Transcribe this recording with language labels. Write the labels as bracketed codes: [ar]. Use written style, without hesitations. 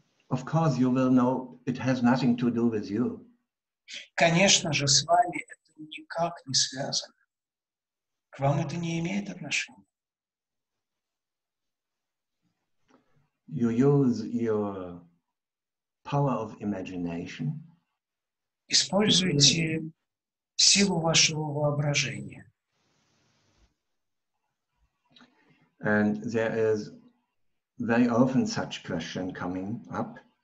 [en] Of course, you will know it has nothing to do with you. [ru] Конечно же, с вами это никак не связано. К вам это не имеет отношения. [en] You use your power of imagination. [ru] Используйте силу вашего воображения. [en] And there is very often such question coming up.